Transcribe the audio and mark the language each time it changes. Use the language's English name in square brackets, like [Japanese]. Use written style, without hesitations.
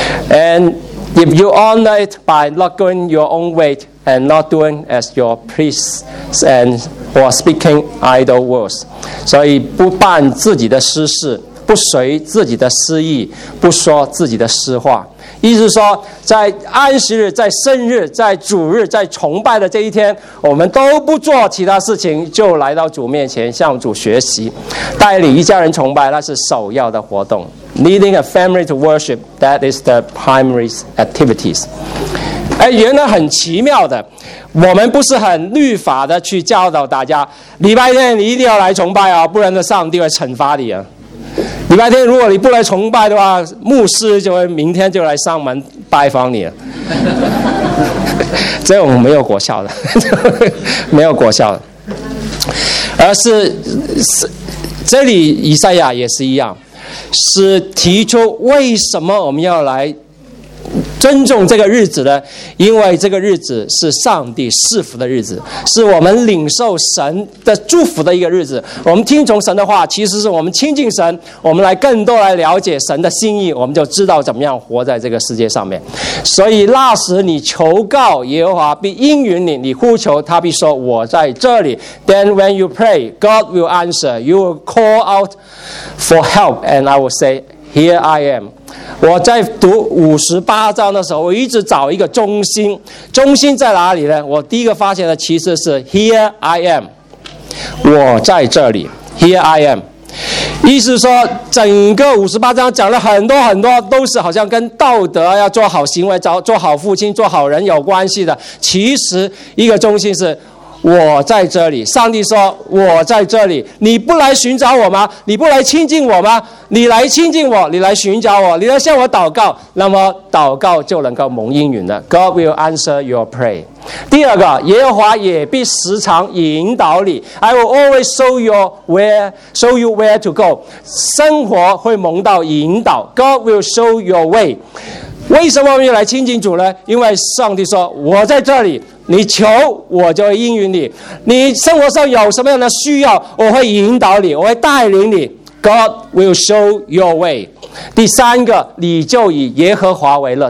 [English] And if you honor it by not going your own way and not doing as your priests and or speaking idle words， [Chinese] 所以不办自己的私事，不随自己的私意，不说自己的私话。意思说在安息日，在圣日，在主日，在崇拜的这一天，我们都不做其他事情，就来到主面前向主学习，带领一家人崇拜，那是首要的活动。 [English] Leading a family to worship, that is the primary activities。 [Chinese] 哎，原来很奇妙的，我们不是很律法的去教导大家礼拜天你一定要来崇拜啊，不然的上帝会惩罚你啊。礼拜天如果你不来崇拜的话，牧师就会明天就来上门拜访你了。这种没有果效的，没有果效的。而是这里以赛亚也是一样，是提出为什么我们要来尊重这个日子呢，因为这个日子是上帝赐福的日子，是我们领受神的祝福的一个日子。我们听从神的话，其实是我们亲近神，我们来更多来了解神的心意，我们就知道怎么样活在这个世界上面。所以那时你求告耶和华必应允你，你呼求他必说我在这里。 [English] Then when you pray, God will answer. You will call out for help and I will say, here I am. [Chinese] 我在读五十八章的时候，我一直找一个中心。中心在哪里呢？我第一个发现的其实是 [English] Here I am， [Chinese] 我在这里。 [English] Here I am， [Chinese] 意思说整个五十八章讲了很多很多，都是好像跟道德要做好行为、做好父亲、做好人有关系的。其实一个中心是。我在这里，上帝说我在这里，你不来寻找我吗？你不来亲近我吗？你来亲近我，你来寻找我，你来向我祷告，那么祷告就能够蒙应允了。 [English] God will answer your prayer。 [Chinese] 第二个，耶和华也必时常引导你。 [English] I will always show you where to go。 [Chinese] 生活会蒙到引导。 [English] God will show your way。 [Chinese] 为什么我们要来亲近主呢？因为上帝说我在这里，你求我就会应允你，你生活上有什么样的需要，我会引导你，我会带领你。 [English] God will show your way。 [Chinese] 第三个，你就以耶和华为乐。